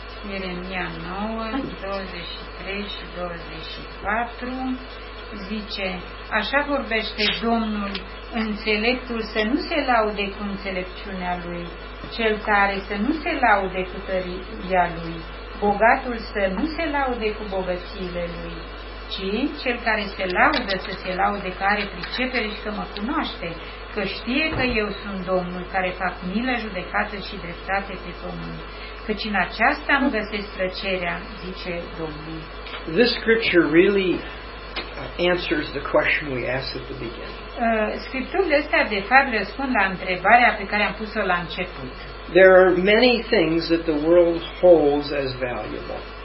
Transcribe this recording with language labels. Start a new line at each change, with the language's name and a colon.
Romanian: Ieremia 9, 23 și 24 zice: așa vorbește Domnul înțeleptul, să nu se laude cu înțelepciunea lui, cel tare să nu se laude cu tăria lui, bogatul să nu se laude cu bogățiile lui, ci cel care se laudă să se laude că are pricepere și că mă cunoaște, că știe că eu sunt Domnul care fac milă, judecată și dreptate pe pământ, căci în aceasta îmi găsesc plăcerea, zice Domnul.
English: This scripture really answers the question we asked at the beginning.
Romanian: Scripturile astea de fapt răspund la întrebarea pe care am pus-o la început.
English: There are many things that the world holds as valuable.